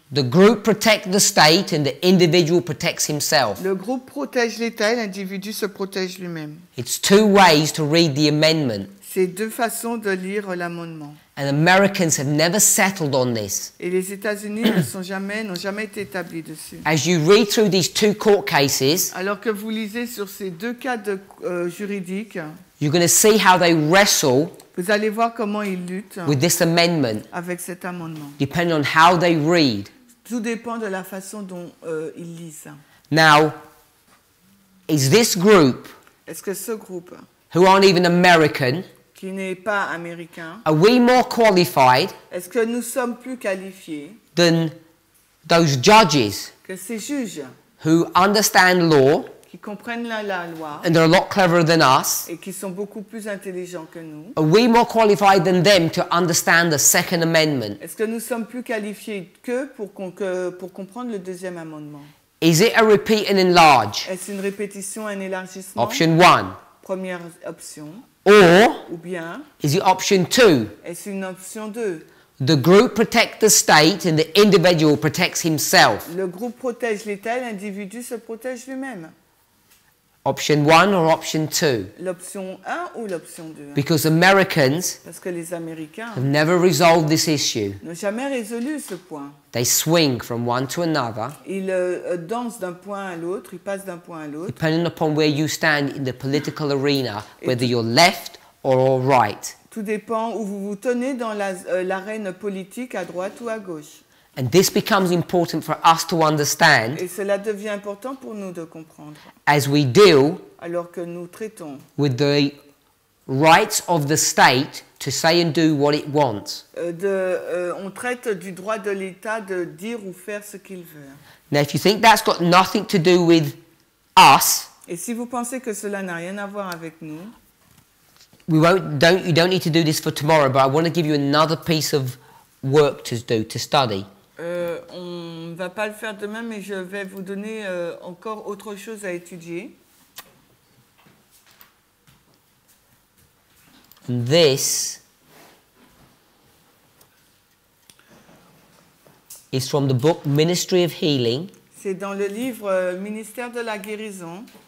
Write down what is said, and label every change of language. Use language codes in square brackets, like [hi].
[en] The group protects the state and the individual protects himself. [fr] Le groupe protège l'État et l'individu se protège lui-même. [en] It's two ways to read the amendment. [fr] C'est deux façons de lire l'amendement. [en] And Americans have never settled on this. [fr] Et les États-Unis ne sont jamais, n'ont jamais été établis dessus. [en] As you read through these two court cases, [fr] alors que vous lisez sur ces deux cas de, juridiques, [en] you're going to see how they wrestle. [fr] Vous allez voir comment ils luttent [en] with this amendment, [fr] avec cet amendement. [en] Depending on how they read. [fr] Tout dépend de la façon dont ils lisent. [en] Now, is this group, [fr] est-ce que ce groupe, [en] who aren't even American, [fr] qui n'est pas américain, [en] are we more qualified, [fr] est-ce que nous sommes plus qualifiés, [en] than those judges, [fr] que ces juges, [en] who understand law, [fr] qui comprennent la loi, [en] and they're a lot cleverer than us, [fr] et qui sont beaucoup plus intelligents que nous, [en] are we more qualified than them to understand the Second Amendment, [fr] est-ce que nous sommes plus qualifiés qu'eux pour comprendre le deuxième amendement, [en] is it a repeat and enlarge, [fr] est-ce une répétition, un élargissement, [en] option one, [fr] première option, [en] or, [fr] ou bien, [en] is it option two, [fr] est-ce une option deux, [en] the group protects the state and the individual protects himself, [fr] le groupe protège l'État, l'individu se protège lui-même. [en] Option one or option two? [fr] L'option 1 ou l'option 2? [en] Because Americans, [fr] parce que les Américains, [en] have never resolved this issue. [fr] N'ont jamais résolu ce point. [en] They swing from one to another. [fr] Ils dansent d'un point à l'autre, ils passent d'un point à l'autre. [en] Depending upon where you stand in the political arena, whether you're left or right. [fr] Tout dépend où vous vous tenez dans l'arène politique, à droite ou à gauche. [en] And this becomes important for us to understand. [fr] Et cela devient important pour nous de comprendre. [en] As we deal, [fr] alors que nous traitons, [en] with the rights of the state to say and do what it wants. [fr] On traite du droit de l'État de dire ou faire ce qu'il veut. [en] Now, if you think that's got nothing to do with us, [fr] et si vous pensez que cela n'a rien à voir avec nous, [en] we won't. You don't need to do this for tomorrow. But I want to give you another piece of work to do to study. [fr] On ne va pas le faire demain, mais je vais vous donner encore autre chose à étudier. [en] This is from the book Ministry of Healing. [fr] C'est dans le livre Ministère de la guérison.